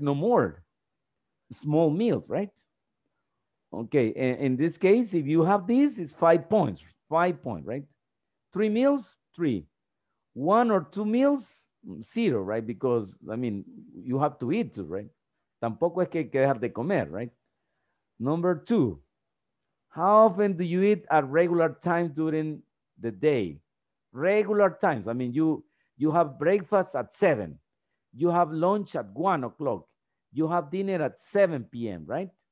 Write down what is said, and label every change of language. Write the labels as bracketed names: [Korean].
[English] No more small meals, right? Okay, and in this case, if you have this, it's 5 points, right? 3 meals, 3. 1 or 2 meals, 0, right? Because, I mean, you have to eat too, right? [Spanish] Tampoco es que hay que dejar de comer, right? [English] Number 2, how often do you eat at regular times during the day? Regular times, I mean, you have breakfast at 7, you have lunch at 1 o'clock, you have dinner at 7 p.m., right?